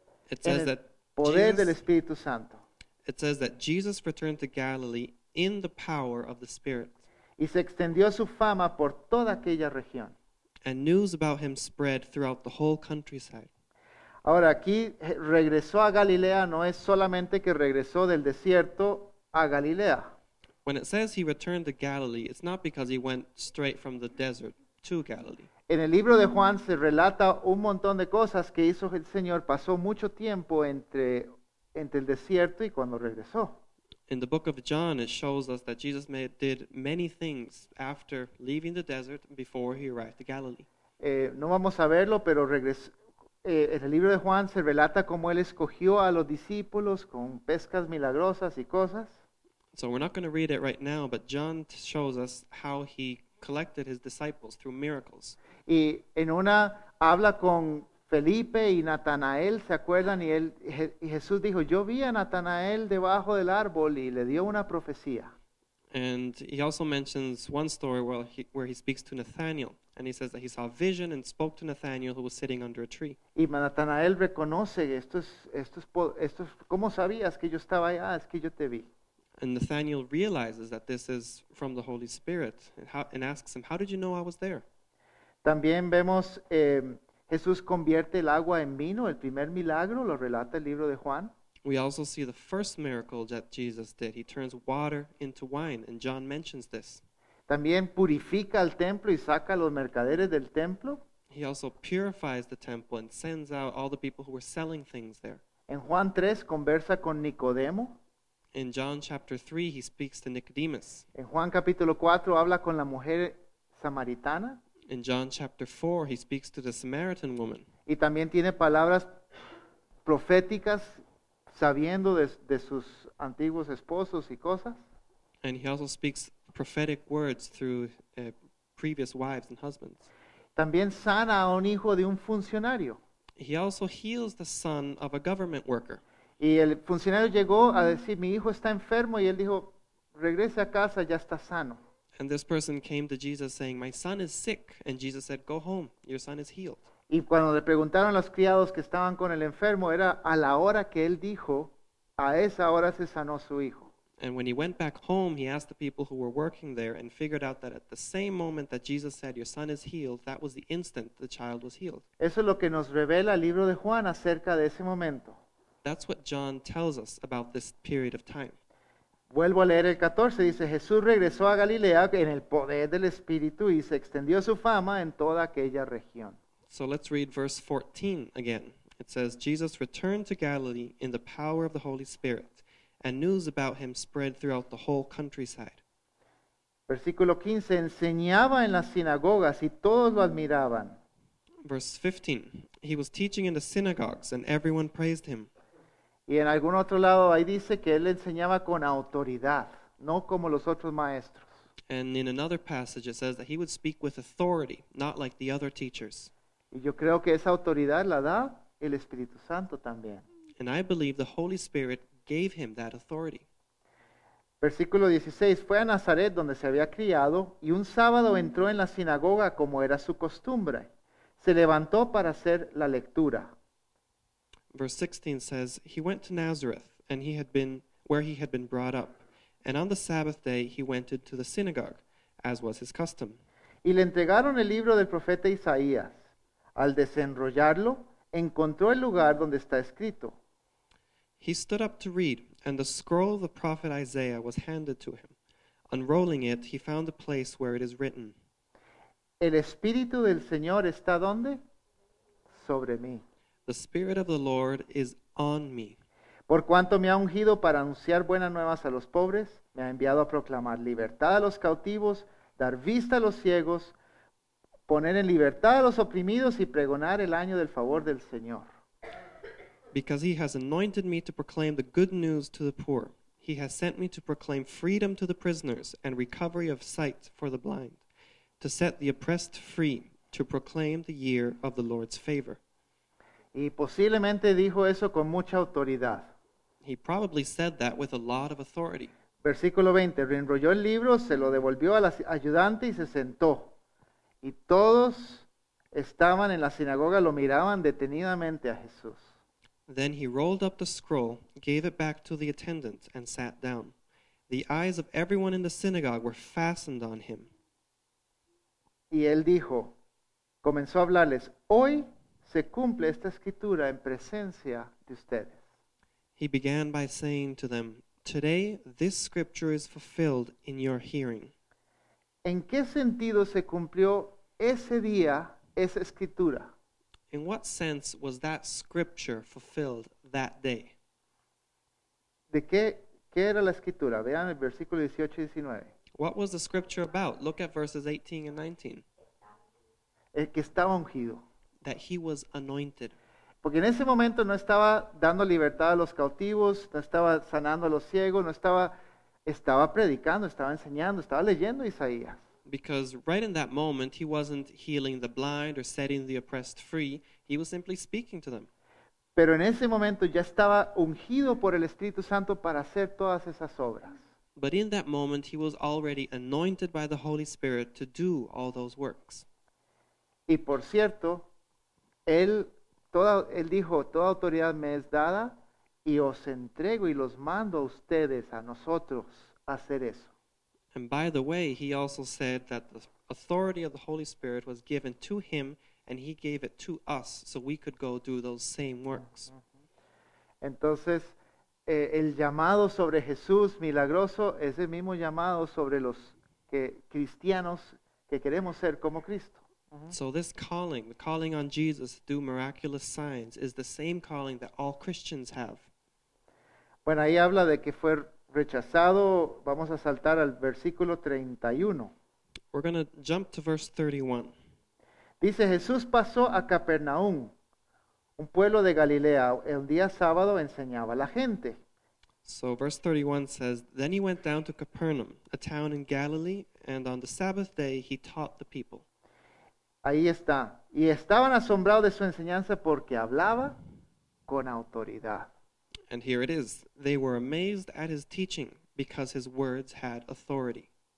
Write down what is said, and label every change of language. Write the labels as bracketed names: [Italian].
[English] It says that [Spanish] poder Jesus, del Espíritu Santo. [English] It says that Jesus returned to Galilee in the power of the Spirit. [Spanish] Y se extendió su fama por toda aquella región. [English] And news about him spread throughout the whole countryside. [Spanish] Ahora aquí regresó a Galilea, no es solamente que regresó del desierto a Galilea. [English] When it says he returned to Galilee, it's not because he went straight from the desert to Galilee. [Spanish] En el libro de Juan se relata un montón de cosas que hizo el Señor. Pasó mucho tiempo entre el desierto y cuando regresó. [English] In the book of John, it shows us that Jesus did many things after leaving the desert before he arrived to Galilee. [Spanish] No vamos a verlo, pero regresó. En el libro de Juan se relata cómo él escogió a los discípulos con pescas milagrosas y cosas. [English] So we're not going to read it right now, but John shows us how he collected his disciples through miracles. [Spanish] Y en una habla con Felipe y Natanael, ¿se acuerdan? Y Jesús dijo, yo vi a Natanael debajo del árbol y le dio una profecía. [English] And he also mentions one story where he speaks to Nathanael. And he says that he saw a vision and spoke to Nathanael, who was sitting under a tree. [Spanish] Y Natanael reconoce, esto es, ¿cómo sabías que yo estaba allá? Es que yo te vi. [English] And Nathanael realizes that this is from the Holy Spirit and asks him, how did you know I was there? [Spanish] También vemos, Jesús convierte el agua en vino, el primer milagro, lo relata el libro de Juan. [English] We also see the first miracle that Jesus did. He turns water into wine, and John mentions this. [Spanish] También purifica el templo y saca a los mercaderes del templo. [English] He also purifies the temple and sends out all the people who were selling things there. [Spanish] En Juan 3 conversa con Nicodemo. [English] In John chapter 3 he speaks to Nicodemus. [Spanish] En Juan capítulo 4 habla con la mujer samaritana. [English] In John chapter 4 he speaks to the Samaritan woman. [Spanish] Y también tiene palabras proféticas sabiendo de sus antiguos esposos y cosas. [English] And he also speaks prophetic words through previous wives and husbands. [Spanish] También sana a un hijo de un funcionario. [English] He also heals the son of a government worker. [Spanish] Y el funcionario llegó a decir, mi hijo está enfermo, y él dijo, regrese a casa, ya está sano. [English] And this person came to Jesus saying, my son is sick, and Jesus said, go home, your son is healed. [Spanish] Y cuando le preguntaron a los criados que estaban con el enfermo, era a la hora que él dijo A esa hora se sanó su hijo. [English] And when he went back home, he asked the people who were working there and figured out that at the same moment that Jesus said, "Your son is healed," that was the instant the child was healed. [Spanish] Eso es lo que nos revela el libro de Juan acerca de ese momento. [English] That's what John tells us about this period of time. [Spanish] Vuelvo a leer el 14, dice, Jesús regresó a Galilea en el poder del Espíritu y se extendió su fama en toda aquella región. [English] So let's read verse 14 again. It says, Jesus returned to Galilee in the power of the Holy Spirit, and news about him spread throughout the whole countryside. [Spanish] Versículo 15, enseñaba en las sinagogas y todos lo admiraban. [English] Verse 15, he was teaching in the synagogues and everyone praised him. [Spanish] Y en algún otro lado ahí dice que él enseñaba con autoridad, no como los otros maestros. [English] And in another passage it says that he would speak with authority, not like the other teachers. [Spanish] Y yo creo que esa autoridad la da el Espíritu Santo también. [English] And I believe the Holy Spirit gave him that authority. [Spanish] Versículo 16, fue a Nazaret donde se había criado y un sábado entró en la sinagoga como era su costumbre. Se levantó para hacer la lectura. [English] Verse 16 says, he went to Nazareth, and he had been where he had been brought up, and on the Sabbath day he went into the synagogue, as was his custom. [Spanish] Y le entregaron el libro del profeta Isaías. Al desenrollarlo, encontró el lugar donde está escrito. [English] He stood up to read, and the scroll of the prophet Isaiah was handed to him. Unrolling it, he found the place where it is written. [Spanish] El Espíritu del Señor está ¿dónde? Sobre mí. [English] The Spirit of the Lord is on me. [Spanish] Por cuanto me ha ungido para anunciar buenas nuevas a los pobres, me ha enviado a proclamar libertad a los cautivos, dar vista a los ciegos, poner en libertad a los oprimidos y pregonar el año del favor del Señor. [English] Because he has anointed me to proclaim the good news to the poor. He has sent me to proclaim freedom to the prisoners and recovery of sight for the blind. To set the oppressed free, to proclaim the year of the Lord's favor. [Spanish] Y posiblemente dijo eso con mucha autoridad. [English] He probably said that with a lot of authority. [Spanish] Versículo 20, reenrolló el libro, se lo devolvió al ayudante y se sentó. Y todos estaban en la sinagoga, lo miraban detenidamente a Jesús. [English] Then he rolled up the scroll, gave it back to the attendant, and sat down. The eyes of everyone in the synagogue were fastened on him. [Spanish] Y él dijo, comenzó a hablarles, hoy se cumple esta escritura en presencia de ustedes. [English] He began by saying to them, today this scripture is fulfilled in your hearing. [Spanish] ¿En qué sentido se cumplió ese día esa escritura? [English] In what sense was that scripture fulfilled that day? [Spanish] ¿De qué era la escritura? Vean el versículo 18 y 19. [English] What was the scripture about? Look at verses 18 and 19. [Spanish] El que estaba ungido. [English] That he was anointed. [Spanish] Porque en ese momento no estaba dando libertad a los cautivos, no estaba sanando a los ciegos, no estaba predicando, estaba enseñando, estaba leyendo Isaías. [English] Because right in that moment he wasn't healing the blind or setting the oppressed free, he was simply speaking to them. [Spanish] Pero en ese momento ya estaba ungido por el Espíritu Santo para hacer todas esas obras. [English] But in that moment he was already anointed by the Holy Spirit to do all those works. [Spanish] Y por cierto, él dijo, toda autoridad me es dada y os entrego y los mando a ustedes, a nosotros, a hacer eso. [English] And by the way, he also said that the authority of the Holy Spirit was given to him and he gave it to us so we could go do those same works. [Spanish] Entonces, el llamado sobre Jesús milagroso es el mismo llamado sobre los que cristianos que queremos ser como Cristo. [English] So this calling, the calling on Jesus to do miraculous signs, is the same calling that all Christians have. [Spanish] Bueno, ahí habla de que fue rechazado. Vamos a saltar al versículo 31. [English] We're going to jump to verse 31. [Spanish] Dice, Jesús pasó a Capernaum, un pueblo de Galilea. El día sábado enseñaba a la gente. [English] So verse 31 says, then he went down to Capernaum, a town in Galilee, and on the Sabbath day he taught the people. [Spanish] Ahí está. Y estaban asombrados de su enseñanza porque hablaba con autoridad. [English] And here it is. They were amazed at his teaching because his words had authority.